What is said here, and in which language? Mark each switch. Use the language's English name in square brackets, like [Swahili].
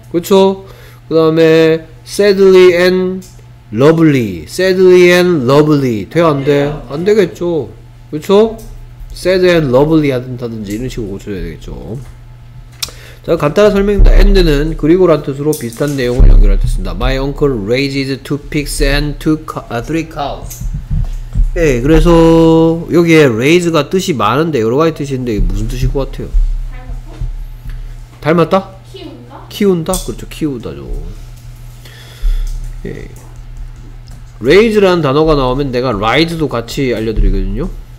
[Korean] 그렇죠? 그 다음에 [English] sadly and lovely. sadly and lovely [Korean] 돼, 안 돼? 돼요. 안 되겠죠? 그렇죠? [English] sad and lovely [Korean] 하든다든지 이런 식으로 고쳐줘야 되겠죠. 자, 간단한 설명입니다. and는 그리고란 뜻으로 비슷한 내용을 연결할 때 씁니다. [English] My uncle raises two pigs and three cows. [Korean] 예, 네, 그래서 여기에 raise가 뜻이 많은데 여러 가지 뜻이 있는데 이게 무슨 뜻일 것 같아요? 닮았다? 닮았다? 키운다? 키운다? 그렇죠. 키우다죠. 예. 네. raise라는 단어가 나오면 내가 rise도 같이 알려드리거든요.